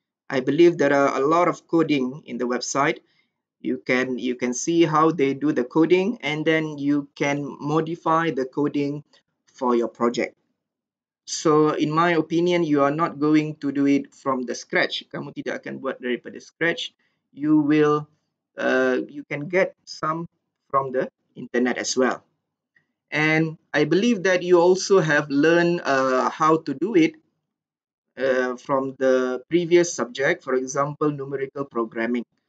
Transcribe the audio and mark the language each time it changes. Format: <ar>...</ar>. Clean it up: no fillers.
<en>I believe there are a lot of coding in the website. You can see how they do the coding, and then you can modify the coding for your project. So in my opinion, you are not going to do it from the scratch.</en> <ms>Kamu tidak akan buat daripada scratch.</ms> <en>You will you can get some from the internet as well. And I believe that you also have learned how to do it from the previous subject, for example, numerical programming.</en>